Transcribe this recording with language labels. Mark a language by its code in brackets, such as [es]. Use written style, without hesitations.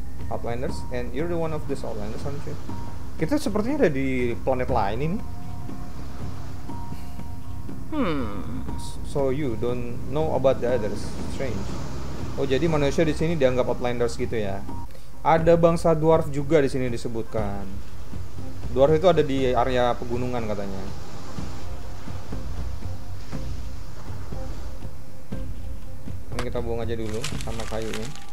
[en] Outlanders, and you're the one of these Outlanders, aren't you? [id] Kita sepertinya ada di planet lain ini. [en] So you don't know about the others. [id] Strange. Oh, jadi manusia di sini dianggap Outlanders gitu ya. Ada bangsa dwarf juga di sini disebutkan. Dwarf itu ada di area pegunungan katanya. Ini kita buang aja dulu sama kayunya.